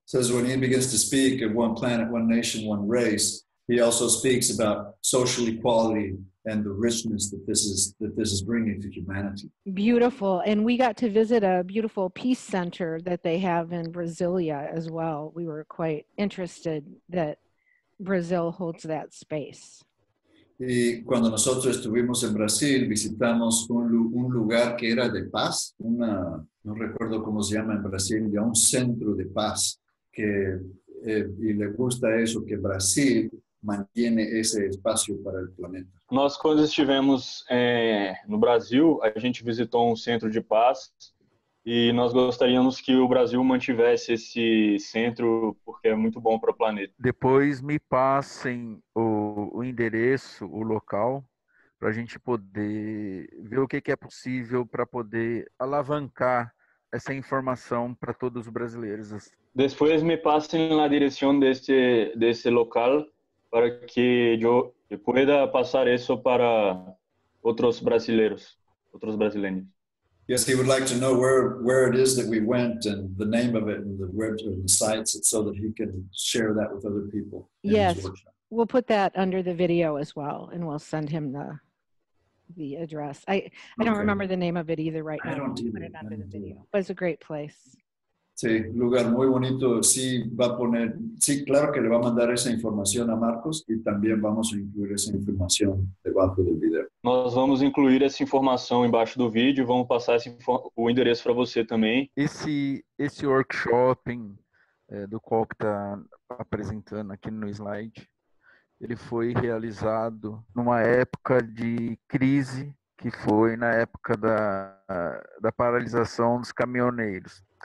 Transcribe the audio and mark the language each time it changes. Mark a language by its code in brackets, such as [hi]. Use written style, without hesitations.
[en] Says when he begins to speak of one planet, one nation, one race, he also speaks about social equality and the richness that this is bringing to humanity. Beautiful. And we got to visit a beautiful peace center that they have in Brasilia as well. We were quite interested that Brazil holds that space. [es] Y cuando nosotros estuvimos en Brasil, visitamos un lugar que era de paz, una, no recuerdo cómo se llama en Brasil, ya un centro de paz, que, y le gusta eso, que Brasil mantiene ese espacio para el planeta. [pt] Nós, quando estivemos no Brasil, a gente visitou un centro de paz, y nós gostaríamos que o Brasil mantivesse esse centro, porque é muito bom para o planeta. Depois me passem o endereço, o local, para a gente poder ver o que é possível para poder alavancar essa informação para todos os brasileiros. [es] Después me pasen la dirección de este local para que yo pueda pasar eso para otros brasileños, otros brasileños. [en] Yes, he would like to know where it is that we went and the name of it and the website and sites so that he can share that with other people. Yes, we'll put that under the video as well and we'll send him the address. I don't remember the name of it either right now. I don't either. Put it under the video. But it's a great place. [es] Sí, lugar muy bonito. Sí, va a poner, sí, claro que le va a mandar esa información a Marcos y también vamos a incluir esa información debajo del video. [pt] Nós vamos incluir essa informação embaixo do vídeo, vamos passar esse, o endereço para você também. Esse workshop do qual que está apresentando aqui no slide, ele foi realizado numa época de crise, que foi na época da paralisação dos caminhoneiros.